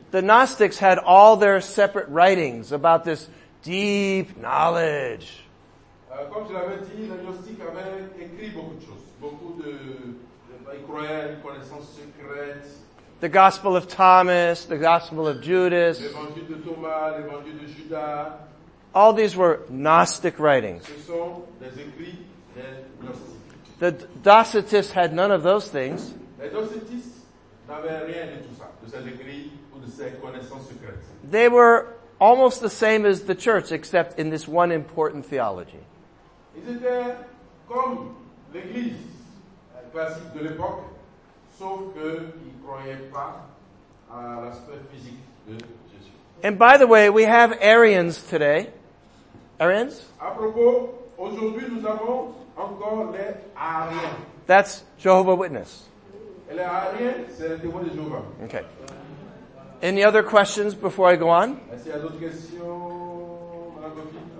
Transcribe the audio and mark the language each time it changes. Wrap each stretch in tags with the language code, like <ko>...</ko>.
<en>the Gnostics had all their separate writings about this deep knowledge.</en> <fr>Comme je l'avais dit, les gnostiques avaient écrit beaucoup de choses. Beaucoup de ils croyaient une connaissance secrète.</fr> <en>The Gospel of Thomas, the Gospel of Judas.</en> <fr>L'évangile de Thomas, l'évangile de Judas.</fr> <en>All these were Gnostic writings.</en> <fr>Ce sont des écrits des gnostiques.</fr> <en>The Docetists had none of those things.</en> <fr>Les Docetistes n'avaient rien de tout ça, de ces écrits ou de ces connaissances secrètes.</fr> <en>They were almost the same as the church, except in this one important theology.</en> <fr>Ils étaient comme l'église classique de l'époque, sauf qu'ils ne croyaient pas à l'aspect physique de Jésus.</fr> <en>And by the way, we have Arians today. Arians?</en> <fr>À propos, aujourd'hui nous avons encore les Arians.</fr> <en>That's Jehovah Witness.</en> <fr>Et les Arians, c'est les témoins de Jéhovah.</fr> <en>Okay. Any other questions before I go on?</en> <fr>Est-ce qu'il y a d'autres questions, Mme Gauthier?</fr>